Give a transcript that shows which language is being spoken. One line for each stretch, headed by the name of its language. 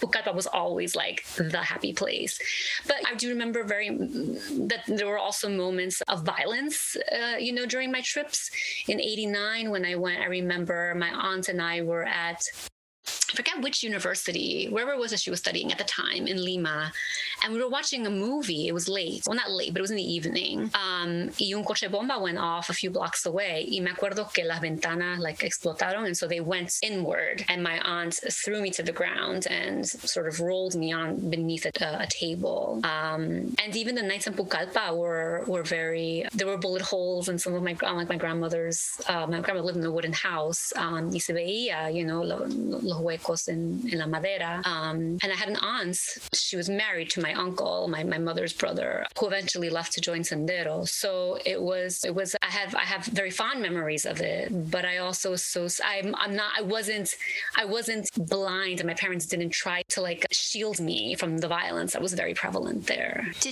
English: Pucallpa was always like the happy place. But I do remember very, that there were also moments of violence, you know, during my trips. In 89, when I went, I remember my aunt and I were at, I forget which university, wherever it was that she was studying at the time in Lima. And we were watching a movie. It was late. Well, not late, but it was in the evening.
Spanish: Y un coche bomba
English: went off a few blocks away.
Spanish: Y me acuerdo que las ventanas like explotaron.
English: And so they went inward. And my aunt threw me to the ground and sort of rolled me on beneath a table. And even the nights in Pucallpa were very, there were bullet holes in some of my, like my grandmother's, my grandmother lived in a wooden house.
Spanish: Y se veía,
English: you know,
Spanish: los huecos en la madera.
English: And I had an aunt. She was married to my uncle, my mother's brother, who eventually left to join Sendero. So it was, I have very fond memories of it, but I also, I wasn't blind, and my parents didn't try to like shield me from the violence that was very prevalent there.